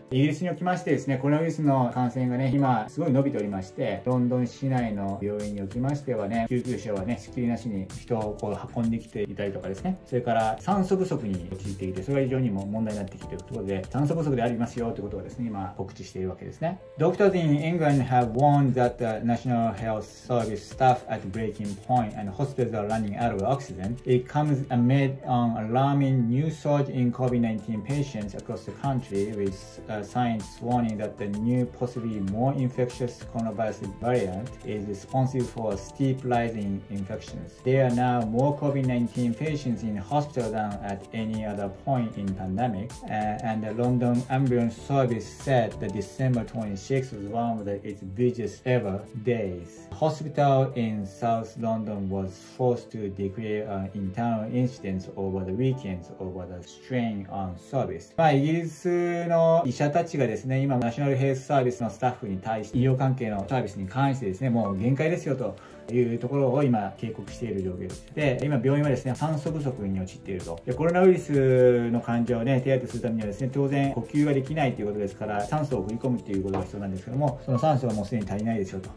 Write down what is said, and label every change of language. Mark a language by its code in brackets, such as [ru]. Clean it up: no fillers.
[ja] イギリスにおきましてですね、コロナウイルスの感染がね今すごい伸びておりまして、ロンドン市内の病院におきましてはね、救急車はねしきりなしに人をこう運んできていたりとかですね、それから酸素不足に陥っていて、それが非常にも問題になってきているということで、酸素不足でありますよということをですね今告知しているわけですね。 [en] Doctors in England have warned that the National Health Service staff at breaking point and hospitals are running out of oxygen. It comes amid an alarming new surge inCOVID-19 patients across the country, with science warning that the new possibly more infectious coronavirus variant is responsible for a steep rise in infections. There are now more COVID-19 patients in hospital than at any other point in pandemic, and the London Ambulance Service said that December 26 was one of its busiest ever days. Hospital in South London was forced to declare an internal incident over the weekend over the strainOn service. [ja] まあ、イギリスの医者たちがですね、今ナショナルヘルスサービスのスタッフに対して、医療関係のサービスに関してですね、もう限界ですよというところを今警告している状況です。で、今病院はですね酸素不足に陥っていると。で、コロナウイルスの患者をね手当てするためにはですね、当然呼吸ができないということですから、酸素を振り込むということが必要なんですけども、その酸素がもうすでに足りないですよと。